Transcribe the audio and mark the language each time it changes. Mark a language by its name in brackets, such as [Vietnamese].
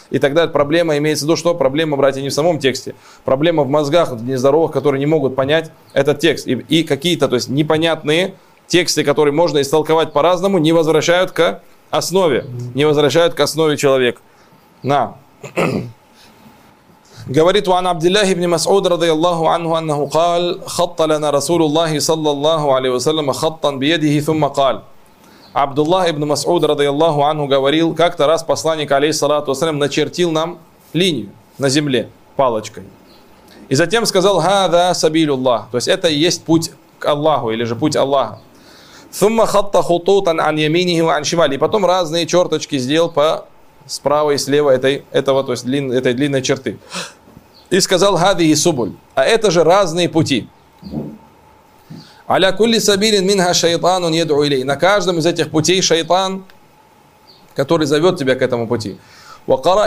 [Russian] И тогда проблема имеется в виду, что проблема, братья, не в самом тексте. Проблема в мозгах нездоровых, которые не могут понять этот текст. И какие-то, то есть, непонятные тексты, которые можно истолковать по-разному, не возвращают к основе. Не возвращают к основе человека. На. Говорит [Arabic] ван Абдиллах ибн Масуд радиаллаху анху аннаху قال خط لنا رسول الله صلى الله عليه وسلم خطا بيده ثم قال. [Russian] Абдуллах ибн Масуд радиаллаху анху говорил, как-то раз посланник алейхиссалату вассалям начертил нам линию на земле палочкой. И затем сказал [Arabic] هذا سبيل الله, [Russian] то есть это и есть путь к Аллаху или же путь Аллаха. [Arabic] ثم خط خطوطا عن يمينه وعن شماله. [Russian] Потом разные черточки сделал по справа и слева этой длинной черты. И сказал [Arabic] «Хадихи субуль». [Russian] А это же разные пути. [Arabic] «Аля кулли сабирин минха шайтанун ядру илей». [Russian] На каждом из этих путей шайтан, который зовет тебя к этому пути. «Вакара».